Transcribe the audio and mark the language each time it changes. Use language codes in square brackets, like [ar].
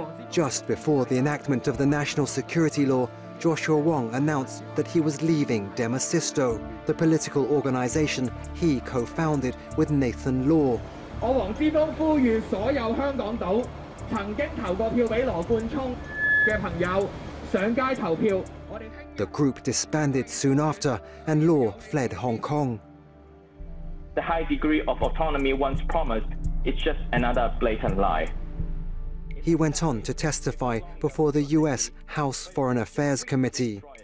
[en] Just before the enactment of the national security law, Joshua Wong announced that he was leaving Demasisto, the political organization he co-founded with Nathan Law. [yue] 我黄之锋呼吁所有香港岛曾经投过票俾罗冠聪嘅朋友上街投票。 [en] The group disbanded soon after, and Law fled Hong Kong. The high degree of autonomy once promised is just another blatant lie. He went on to testify before the US House Foreign Affairs Committee.